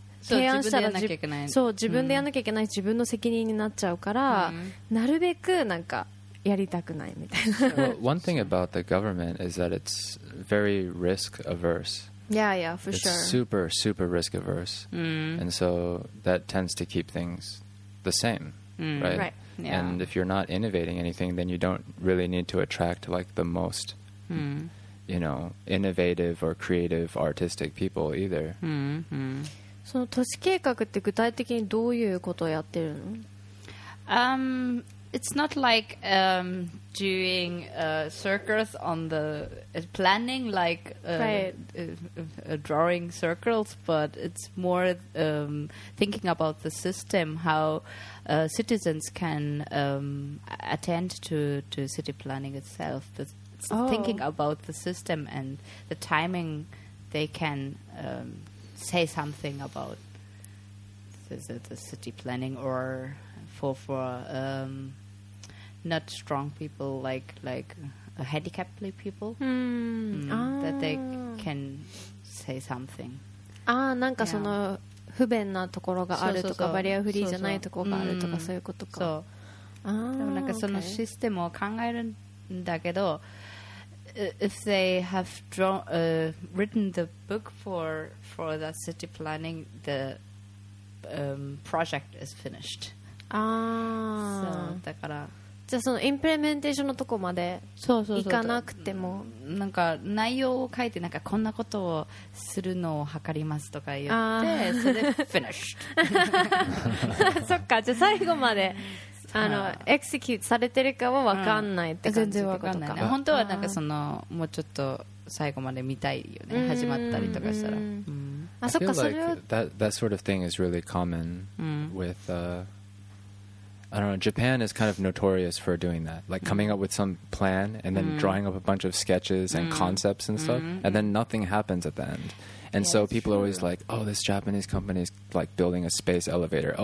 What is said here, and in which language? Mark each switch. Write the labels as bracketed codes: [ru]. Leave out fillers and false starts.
[ja] 提案したら、そう、自分でやんなきゃいけない。そう、自分でやんなきゃいけない。自分の責任になっちゃうから、なるべくなんか、やりたくないみたいな。 [en] Well, one thing about the government is that it's very risk averse. Yeah, yeah, for it's sure. It's super, super risk averse. Mm. And so that tends to keep things the same, right? Right. Yeah. And if you're not innovating anything, then you don't really need to attract like the most, you know, innovative or creative artistic people either. [ja] その都市計画って具体的にどういうことをやってるの？ [en] it's not like doing circles on the planning, like right. drawing circles, but it's more thinking about the system, how citizens can attend to city planning itself. It's thinking about the system and the timing they can say something about the city planning or for not strong people like handicapped people that they can say something. [ja] Ah, なんかその不便なところがあるとかバリアフリーじゃないところがあるとかそういうことか。そう。ああ。でもなんかそのシステムを考えるんだけど、 [en] if they have drawn, written the book for the city planning, the project is finished. Ah, [ja] so だから。じゃあそのインプレメンテーションのとこまでそうそうそういかなくてもなんか内容を書いてなんかこんなことをするのを測りますとか言ってそれで finished. そっかじゃあ最後まで。あのエクセキューされてるかは分かんないって感じ、うん、全然分かんないね本当はなんかそのもうちょっと最後まで見たいよね始まったりとかしたら、うん、あそっかそれは [en] like that sort of thing is really common、うん、with I don't know Japan is kind of notorious for doing that like coming up with some plan and then、うん、drawing up a bunch of sketches and、うん、concepts and stuff、うん、and then nothing happens at the endAnd yeah, so people are always like, oh, this Japanese company is like building a space elevator.